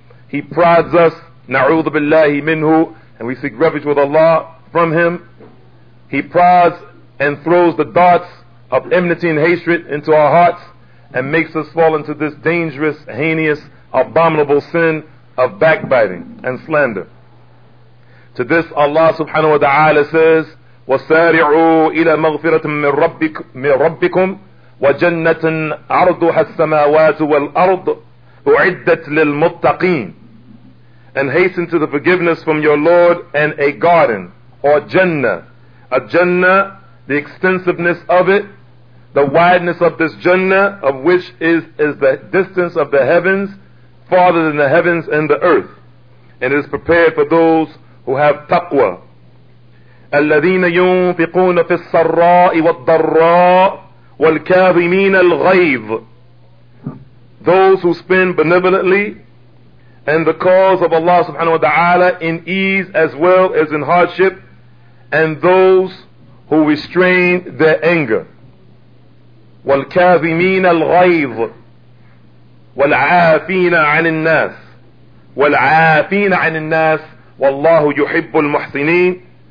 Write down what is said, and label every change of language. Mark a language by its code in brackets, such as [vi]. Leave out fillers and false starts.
[en] He prods us, [ar] na'udhu billahi minhu, [en] and we seek refuge with Allah from him. He prods and throws the darts of enmity and hatred into our hearts and makes us fall into this dangerous, heinous, abominable sin of backbiting and slander. To this Allah subhanahu wa ta'ala says, [ar] وَسَارِعُوا إِلَى مَغْفِرَةٍ مِّن رَبِّكُمْ وجنة عرضها السماوات والأرض أعدت للمتقين. [en] And hasten to the forgiveness from your Lord and a garden or Jannah. A Jannah, the extensiveness of it, the wideness of this Jannah, of which is the distance of the heavens, farther than the heavens and the earth. And it is prepared for those who have taqwa. [ar] الذين ينفقون في السراء والضراء وَالْكَاظِمِينَ الْغَيْظِ. [en] Those who spend benevolently and the cause of Allah subhanahu wa ta'ala in ease as well as in hardship, and those who restrain their anger. [ar] وَالْكَاظِمِينَ الْغَيْظِ وَالْعَافِينَ عَنِ النَّاسِ وَالْعَافِينَ عَنِ النَّاسِ وَاللَّهُ يُحِبُّ الْمُحْسِنِينَ.